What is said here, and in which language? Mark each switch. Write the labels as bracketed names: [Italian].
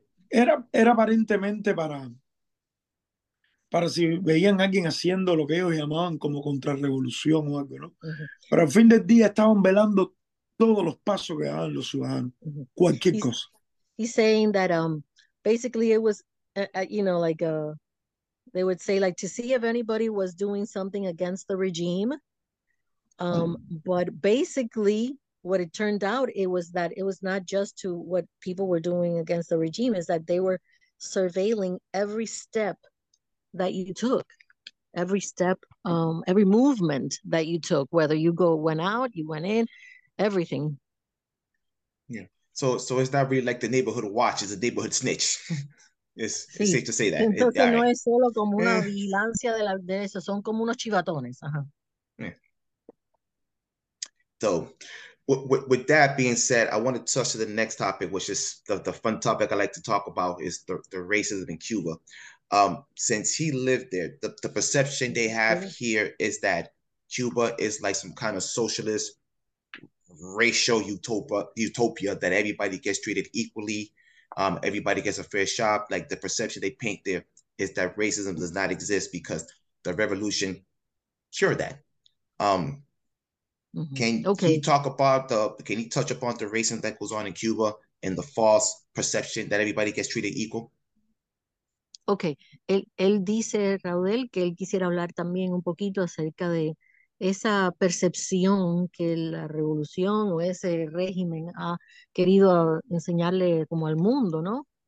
[Spanish] era aparentemente para si veían a alguien haciendo lo que ellos llamaban como contrarrevolución o algo, ¿no? Uh-huh. Pero al fin del día estaban velando todos los pasos que daban los ciudadanos, uh-huh. cualquier [English] he's, [Spanish] cosa. [English] He's saying that basically it was, you know, like they would say like to see if anybody was doing something against the regime. But basically what it turned out, it was that it was not just to what people were doing against the regime, is that they were surveilling every step that you took, every step, every movement that you took, whether you went out, you went in, everything. Yeah. So it's not really like the neighborhood watch, it's a neighborhood snitch. It's, sí. It's safe to say that. [Spanish] Entonces no es solo como una vigilancia de eso, son como unos chivatones. Ajá. [English] So with that being said, I want to touch to the next topic, which is the fun topic I like to talk about, is the racism in Cuba. Since he lived there, the perception they have here is that Cuba is like some kind of socialist racial utopia that everybody gets treated equally. Everybody gets a fair shot. Like the perception they paint there is that racism does not exist because the revolution cured that. Can you touch upon the racism that goes on in Cuba and the false perception that everybody gets treated equal? [Spanish] Okay, él dice, Raudel, que él quisiera hablar también un poquito acerca de esa percepción que la revolución o ese régimen ha querido enseñarle como al mundo, ¿no?